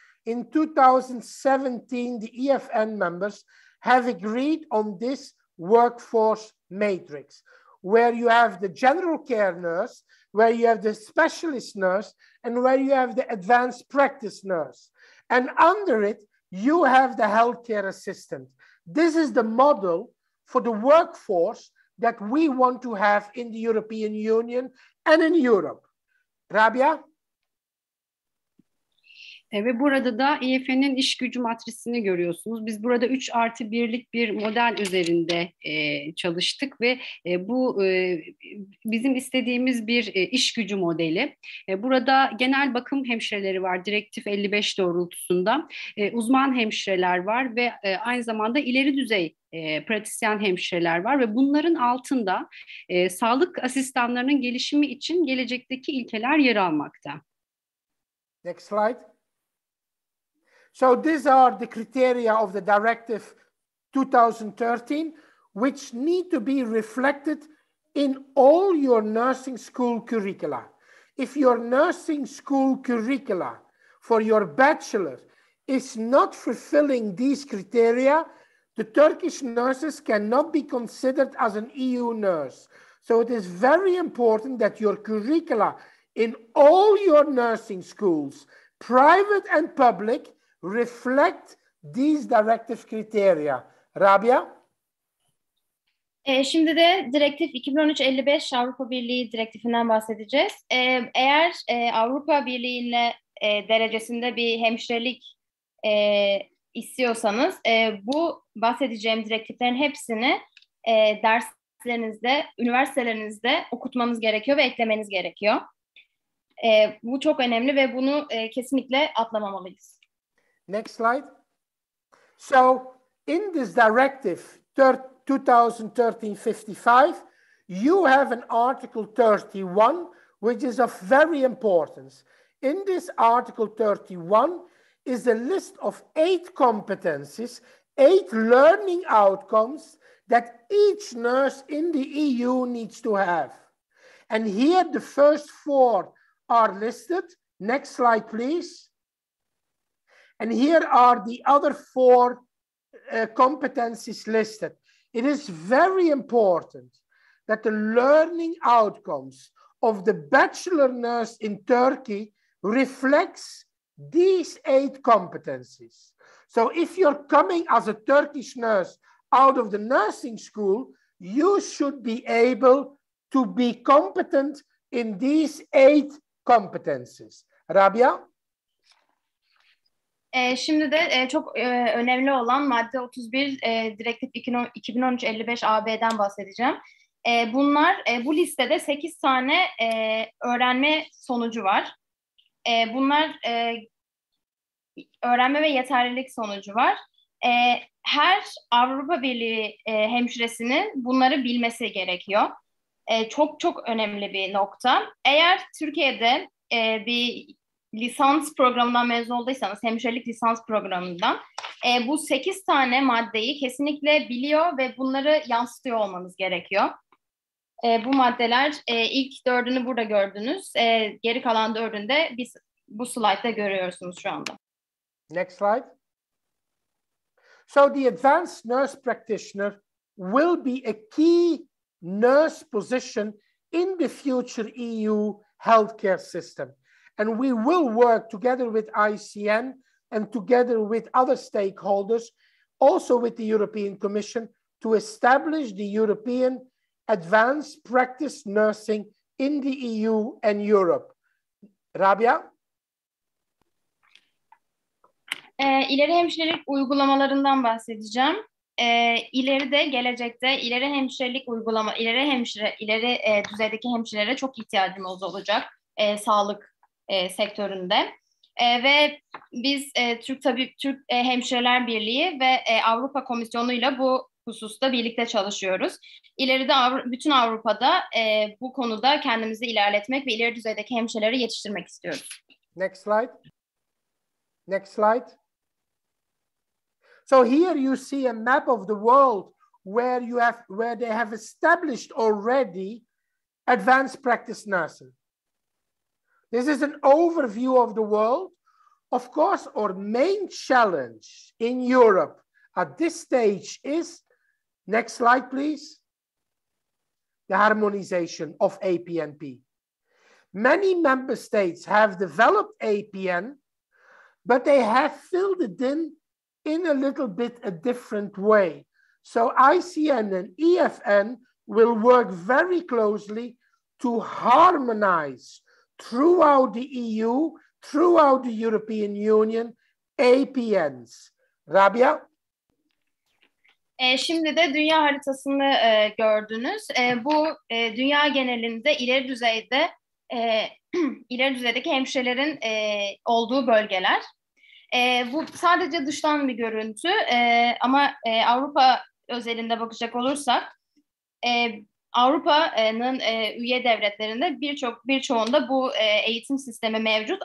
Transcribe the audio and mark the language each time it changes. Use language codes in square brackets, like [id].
[en] In 2017, the EFN members have agreed on this workforce matrix, where you have the general care nurse, where you have the specialist nurse, and where you have the advanced practice nurse. And under it, you have the healthcare assistant. This is the model for the workforce that we want to have in the European Union and in Europe. Rabia? [tr] Ve burada da EFN'in iş gücü matrisini görüyorsunuz. Biz burada 3+1'lik bir model üzerinde çalıştık ve bu bizim istediğimiz bir iş gücü modeli. Burada genel bakım hemşireleri var, direktif 55 doğrultusunda. Uzman hemşireler var ve aynı zamanda ileri düzey pratisyen hemşireler var ve bunların altında sağlık asistanlarının gelişimi için gelecekteki ilkeler yer almakta. [en] Next slide. So these are the criteria of the directive 2013, which need to be reflected in all your nursing school curricula. If your nursing school curricula for your bachelor is not fulfilling these criteria, the Turkish nurses cannot be considered as an EU nurse. So it is very important that your curricula in all your nursing schools, private and public, reflect these directive criteria. Rabia? [tr] Şimdi de direktif 2013-55 Avrupa Birliği direktifinden bahsedeceğiz. Eğer Avrupa Birliği'nin derecesinde bir hemşirelik istiyorsanız, bu bahsedeceğim direktiflerin hepsini derslerinizde, üniversitelerinizde okutmanız gerekiyor ve eklemeniz gerekiyor. Bu çok önemli ve bunu kesinlikle atlamamalıyız. [en] Next slide. So in this directive 2013-55, you have an article 31, which is of very importance. In this article 31 is a list of 8 competencies, 8 learning outcomes that each nurse in the EU needs to have. And here the first 4 are listed. Next slide, please. And here are the other 4 competencies listed. It is very important that the learning outcomes of the bachelor nurse in Turkey reflects these 8 competencies. So if you're coming as a Turkish nurse out of the nursing school, you should be able to be competent in these 8 competencies. Rabia? [tr] Şimdi de çok önemli olan madde 31 direktif 2013-55 AB'den bahsedeceğim. Bunlar, bu listede 8 tane öğrenme sonucu var. Bunlar öğrenme ve yeterlilik sonucu var. Her Avrupa Birliği hemşiresinin bunları bilmesi gerekiyor. Çok çok önemli bir nokta. Eğer Türkiye'de bir lisans programından mezun olduysanız, hemşirelik lisans programından, bu 8 tane maddeyi kesinlikle biliyor ve bunları yansıtıyor olmanız gerekiyor. Bu maddeler, ilk 4'ünü burada gördünüz. Geri kalan 4'ünü de biz bu slide'da görüyorsunuz şu anda. [en] Next slide. So the advanced nurse practitioner will be a key nurse position in the future EU healthcare system. And we will work together with ICN and together with other stakeholders, also with the European Commission, to establish the European advanced practice nursing in the EU and Europe. Rabia? [tr] İleri hemşirelik uygulamalarından bahsedeceğim. İleride, gelecekte ileri hemşirelik uygulama, ileri düzeydeki hemşirelere çok ihtiyacımız olacak. Sağlık sektöründe. Ve biz Türk Hemşireler Birliği ve Avrupa Komisyonu ile bu hususta birlikte çalışıyoruz. İleride bütün Avrupa'da bu konuda kendimizi ilerletmek ve ileri düzeydeki hemşireleri yetiştirmek istiyoruz. [en] Next slide. Next slide. So here you see a map of the world where you have, where they have established already advanced practice nursing. This is an overview of the world. Of course, our main challenge in Europe at this stage is, next slide please, the harmonization of APNP. Many member states have developed APN, but they have filled it in a little bit a different way. So ICN and EFN will work very closely to harmonize throughout the EU, throughout the European Union, APNs. Rabia? [tr] Şimdi de dünya haritasını gördünüz. Bu dünya genelinde ileri düzeyde ileri düzeydeki hemşirelerin olduğu bölgeler. Bu sadece dıştan bir görüntü ama Avrupa özelinde bakacak olursak Avrupa'nın üye devletlerinde birçoğunda bu eğitim sistemi mevcut.